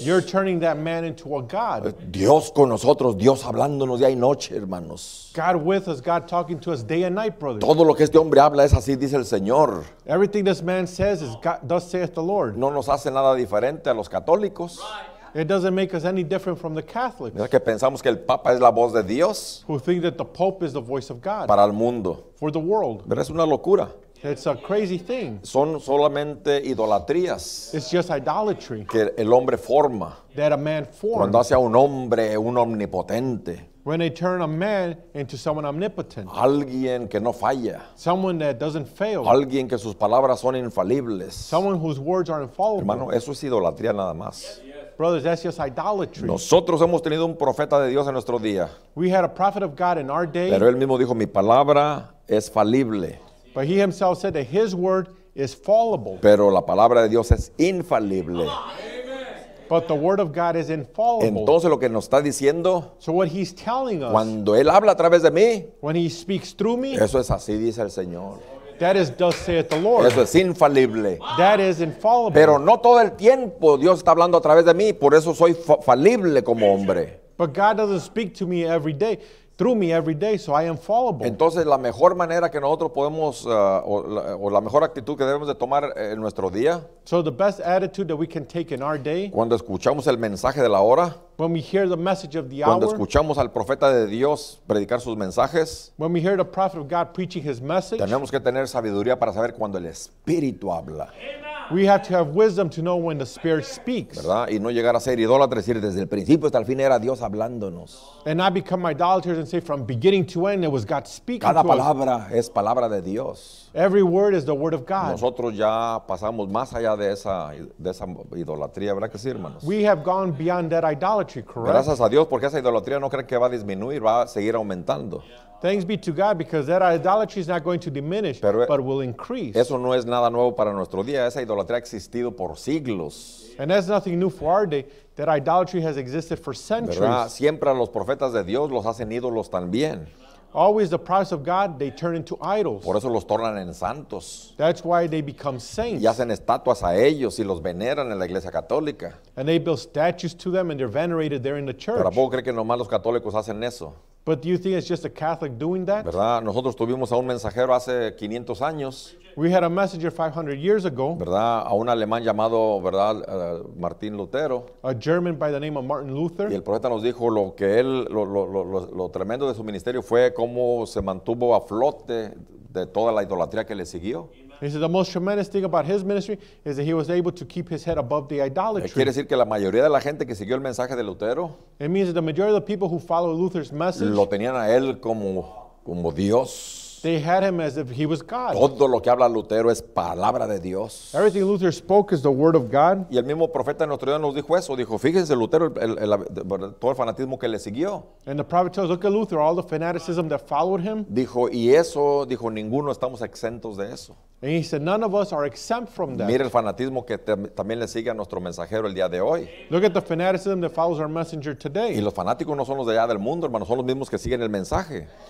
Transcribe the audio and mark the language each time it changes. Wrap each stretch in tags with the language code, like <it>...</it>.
<en>You're turning that man into a God.</en> <es>Dios con nosotros, Dios hablándonos día y noche, hermanos.</es> <en>God with us, God talking to us day and night, brother.</en> <es>Todo lo que este hombre habla es así, dice el Señor.</es> <en>Everything this man says is God, thus saith the Lord.</en> <es>No nos hace nada diferente a los católicos.</es> <en>It doesn't make us any different from the Catholics.</en> <es>¿Verdad que pensamos que el Papa es la voz de Dios?</es> <en>Who think that the Pope is the voice of God.</en> <es>Para el mundo.</es> <en>For the world.</en> <es>Pero es una locura.</es> <en>It's a crazy thing.</en> <es>Son solamente idolatrías.</es> <en>It's just idolatry.</en> <es>Que el hombre forma.</es> <en>That a man forms.</en> <es>Cuando hace a un hombre un omnipotente.</es> <en>When they turn a man into someone omnipotent.</en> <es>Alguien que no falla.</es> <en>Someone that doesn't fail.</en> <es>Alguien que sus palabras son infalibles.</es> <en>Someone whose words are infallible.</en> <es>Hermano, eso es idolatría nada más.</es> <en>Brothers, that's just idolatry.</en> <es>Nosotros hemos tenido un profeta de Dios en nuestro día.</es> <en>We had a prophet of God in our day.</en> <es>Pero él mismo dijo, mi palabra es falible.</es> <en>But he himself said that his word is fallible.</en> <es>Pero la palabra de Dios es infalible.</es> <en>But the word of God is infallible.</en> <es>Entonces lo que nos está diciendo,</es> <en>so what he's telling us,</en> <es>cuando él habla a través de mí,</es> <en>when he speaks through me,</en> <es>eso es así, dice el Señor.</es> <en>That is thus saith the Lord.</en> <es>Eso es infalible.</es> <en>That is infallible.</en> <es>Pero no todo el tiempo Dios está hablando a través de mí, por eso soy falible como hombre.</es> <en>But God doesn't speak to me every day. Through me every day, so I am fallible.</en> <es>Entonces, la mejor manera que nosotros podemos, o la mejor actitud que debemos de tomar en nuestro día.</es> <en>So the best attitude that we can take in our day.</en> <es>Cuando escuchamos el mensaje de la hora.</es> <en>When we hear the message of the</en> <es>cuando</es> <en>hour.</en> <es>Cuando escuchamos al profeta de Dios predicar sus mensajes.</es> <en>When we hear the prophet of God preaching his message.</en> <es>Tenemos que tener sabiduría para saber cuando el Espíritu habla.</es> <en>We have to have wisdom to know when the Spirit speaks.</en> <es>¿Verdad? Y no llegar a ser idólatra, decir desde el principio hasta el fin era Dios hablándonos.</es> <en>And not become idolaters and say from beginning to end it was God speaking.</en> <es>Cada</es> <en>to</en> <es>palabra</es> <en>us.</en> <es>Es palabra de Dios.</es> <en>Every word is the word of God.</en> <es>Nosotros ya pasamos más allá de esa idolatría, ¿verdad que sí, hermanos?</es> <en>We have gone beyond that idolatry, correct?</en> <es>Gracias a Dios porque esa idolatría no creen que va a disminuir, va a seguir aumentando.</es> <en>Thanks be to God because that idolatry is not going to diminish,</en> <es>pero,</es> <en>but will increase.</en> <es>Eso no es nada nuevo para nuestro día. Esa idolatría ha existido por siglos.</es> <en>And that's nothing new for our day. That idolatry has existed for centuries.</en> <es>¿Verdad? Siempre a los profetas de Dios los hacen ídolos también.</es> <en>Always the prophets of God, they turn into idols.</en> <es>Por eso los tornan en santos.</es> <en>That's why they become saints.</en> <es>Y hacen estatuas a ellos y los veneran en la iglesia católica.</es> <en>And they build statues to them and they're venerated there in the church.</en> <es>¿Pero a poco cree que nomás los católicos hacen eso?</es> <en>But do you think it's just a Catholic doing that?</en> <es>¿Verdad? Nosotros tuvimos a un mensajero hace 500 años.</es> <en>We had a messenger 500 years ago.</en> <es>¿Verdad? A un alemán llamado, ¿verdad? Martín Lutero.</es> <en>A German by the name of Martin Luther.</en> <es>Y el profeta nos dijo lo que él, lo tremendo de su ministerio fue cómo se mantuvo a flote de toda la idolatría que le siguió.</es> <en>He said the most tremendous thing about his ministry is that he was able to keep his head above the idolatry.</en> <es>¿Quiere decir que la mayoría de la gente que siguió el mensaje de Lutero?</es> <en>It means that the majority of the people who followed Luther's message.</en> <es>Lo tenían a él como Dios.</es> <en>They had him as if he was God.</en> <es>Todo lo que habla Lutero es palabra de Dios.</es> <en>Everything Luther spoke is the word of God.</en> <es>Y el mismo profeta de nuestro Dios nos dijo eso. Dijo, fíjense Lutero, todo el fanatismo que le siguió.</es> <en>And the prophet tells, look at Luther, all the fanaticism that followed him.</en> <es>Dijo, y eso, dijo, ninguno estamos exentos de eso.</es> <en>And he said, none of us are exempt from that.</en> <es>Mira el fanatismo que también le sigue a nuestro mensajero el día de hoy.</es> <en>Look at the fanaticism that follows our messenger today.</en> <es>Y los fanáticos no son los de allá del mundo, hermanos, son los mismos que siguen el mensaje.</es>